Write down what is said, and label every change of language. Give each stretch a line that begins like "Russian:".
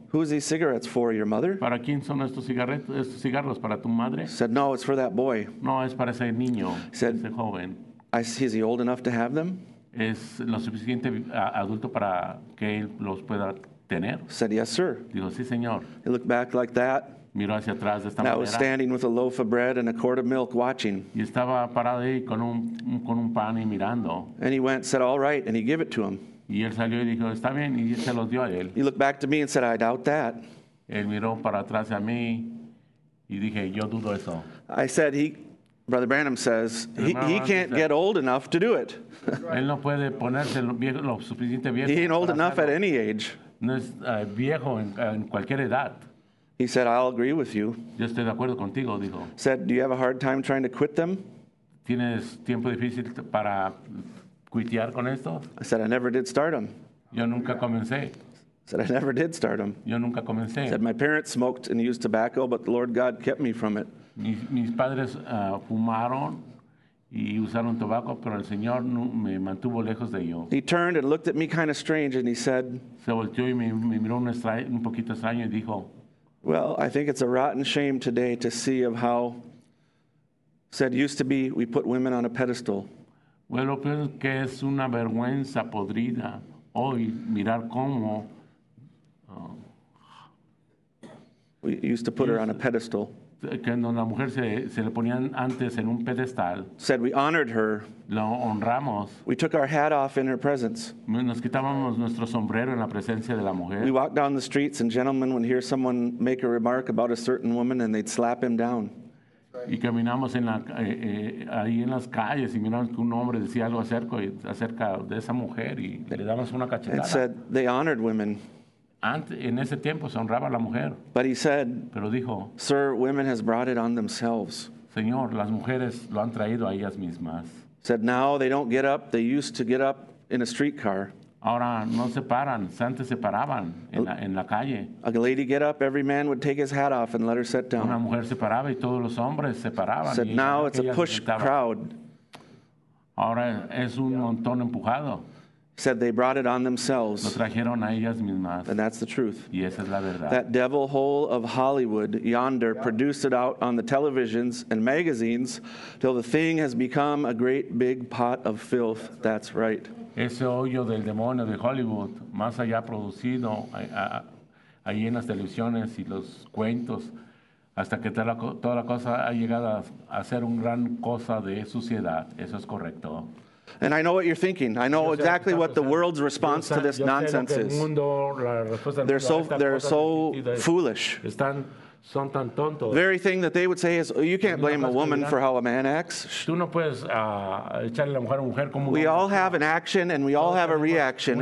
English: Who is these cigarettes for, your mother?
Spanish: ¿Para quién son estos cigarros, para tu madre?
English: Said, no, it's for that boy.
Spanish: No, es para ese niño,
English: said,
Spanish: ese joven.
English: Is he old enough to have them?
Spanish: ¿Es lo suficiente adulto para que él los pueda tener?
English: Said, yes, sir.
Spanish: Dijo, sí, señor.
English: He looked back like that.
Spanish: Miró hacia atrás de esta manera.
English: Now was standing with a loaf of bread and a quart of milk watching.
Spanish: Y estaba parado ahí con un pan y mirando.
English: And he went, said, all right, and he gave it to him.
Spanish: Y él salió y dijo, está bien, y se los dio a él.
English: He looked back to me and said, I doubt that.
Spanish: Él miró para atrás a mí y dije, yo dudo eso.
English: I said, Brother Branham says, he can't get old enough to do it.
Spanish: Él no puede ponerse lo suficiente viejo.
English: He ain't old enough at any age.
Spanish: No es viejo en cualquier edad.
English: He said, I'll agree with you.
Spanish: Yo estoy de acuerdo contigo, dijo.
English: Said, do you have a hard time trying to quit them?
Spanish: ¿Tienes tiempo difícil para quitear con esto?
English: I said, I never did start them.
Spanish: Yo nunca comencé.
English: Said, I never did start them.
Spanish: Yo nunca comencé.
English: Said, my parents smoked and used tobacco, but the Lord God kept me from it.
Spanish: Mis padres fumaron y usaron tobacco, pero el Señor me mantuvo lejos de ello.
English: He turned and looked at me kind of strange, and he said,
Spanish: se volteó y me miró un poquito extraño y dijo,
English: well, I think it's a rotten shame today to see of how, said, used to be we put women on a pedestal.
Spanish: Bueno, pues que es una vergüenza podrida hoy mirar cómo
English: we used to put her on a pedestal.
Spanish: Que la mujer se le ponían antes en un pedestal.
English: Said we honored her.
Spanish: Lo honramos.
English: We took our hat off in her presence.
Spanish: Nos quitábamos nuestro sombrero en la presencia de la mujer.
English: We walked down the streets and gentlemen would hear someone make a remark about a certain woman and they'd slap him down.
Spanish: Y caminamos en la ahí en las calles y miramos que un hombre decía algo acerca de esa mujer y le damos una cachetada.
English: And said they honored women.
Spanish: En ese tiempo se honraba a la mujer.
English: But he said,
Spanish: pero dijo,
English: sir, women has brought it on themselves.
Spanish: Señor, las mujeres lo han traído a ellas mismas.
English: Said now they don't get up. They used to get up in a streetcar.
Spanish: Ahora no se paran. Antes se paraban en la calle.
English: A lady get up, every man would take his hat off and let her sit down.
Spanish: Una mujer se paraba y todos los hombres se paraban.
English: Said now it's a push crowd.
Spanish: Ahora es un montón empujado.
English: Said they brought it on themselves.
Spanish: Lo trajeron a ellas mismas.
English: And that's the truth.
Spanish: Y esa es la verdad.
English: That devil hole of Hollywood yonder produced it out on the televisions and magazines till the thing has become a great big pot of filth. That's right.
Spanish: Ese hoyo del demonio de Hollywood, más allá producido ahí en las televisiones y los cuentos, hasta que toda la cosa ha llegado a ser un gran cosa de suciedad. Eso es correcto.
English: And I know what you're thinking. I know exactly what the world's response to this nonsense is. They're so foolish. The very thing that they would say is, oh, you can't blame a woman for how a man acts. We all have an action and we all have a reaction.